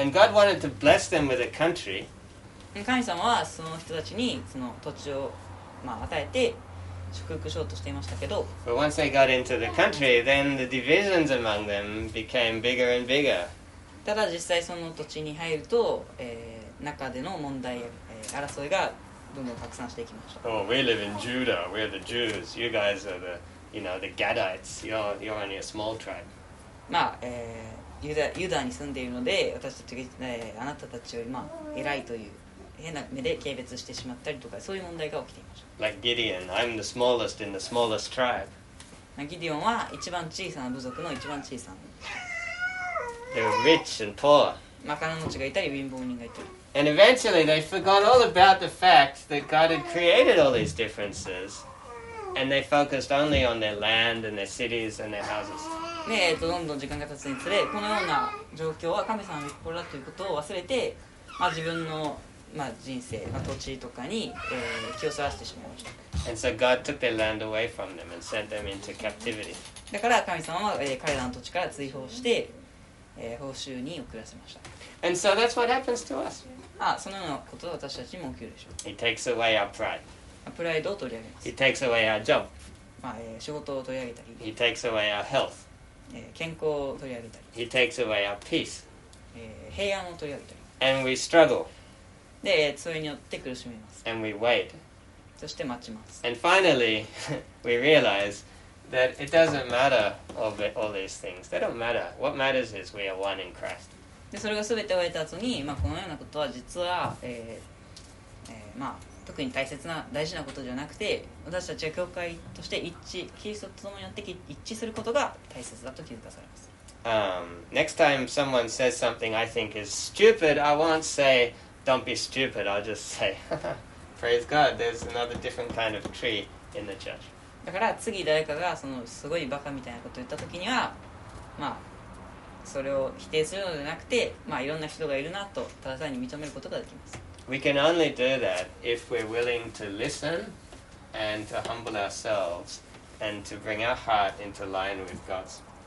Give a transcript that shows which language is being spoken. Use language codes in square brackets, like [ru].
[en] And God wanted to bless them with a country. [ja] 神様はその人たちにその土地をまあ、与えて祝福しようとしていましたけど、 [en] But once they got into the country, then the divisions among them became bigger and bigger. [ja] ただ実際その土地に入ると、中での問題、争いがどんどん拡散していきました。 [en] Oh, we live in Judah. We're the Jews. You guys are the, you know, the Gadites. You're only a small tribe. [ja] まあ、ユダに住んでいるので、私たちが、あなたたちより、まあ、偉いという。変な目で軽蔑してしまったりとかそういう問題が起きていました。 [en] Like Gideon, I'm the smallest in the smallest tribe. [ja] ギディオンは一番小さな部族の一番小さな。 [en] They were rich and poor. [ja] まあ金持ちがいたり貧乏人がいたり。 [en] And eventually they forgot all about the fact that God had created all these differences, and they focused only on their land and their cities and their houses. [ja] ねえ、どんどん時間が経つにつれこのような状況は神様の心だということを忘れて、まあ自分のまあ、人生、まあ、土地とかに、気をそらしてしまいました。 [en] And so God took their land away from them and sent them into captivity. [ja] だから神様は、彼らの土地から追放して、報酬に送らせました。 [en] And so that's what happens to us. [ja] あ、そのようなことは私たちにも起きるでしょう。 [en] He takes away our pride. [ja] プライドを取り上げます。 [en] He takes away our job. [ja] まあ、仕事を取り上げたり。 [en] He takes away our health. [ja] 健康を取り上げたり。 [en] He takes away our peace. [ja] 平安を取り上げたり。 [en] And we struggle. [ja] で、それによって苦しみます。 [en] And we wait. [ja] そして待ちます。 [en] And finally, we realize that it doesn't matter all these things. They don't matter. What matters is we are one in Christ. [ja] で、それが全て終えた後に、まあ、このようなことは実は、まあ、特に大切な大事なことじゃなくて、私たちは教会として一致、キリストと共によって一致することが大切だと気づかされます。 [en] Next time someone says something I think is stupid, I won't say, don't be stupid, I'll just say, praise God, there's another different kind of tree in the church. [ja] だから次誰かがそのすごいバカみたいなことを言ったときには、まあ、それを否定するのではなくて、まあ、いろんな人がいるなと、ただ単に認めることができます。 [en] We can only do that if we're willing to listen and to humble ourselves and to bring our heart into line with God's.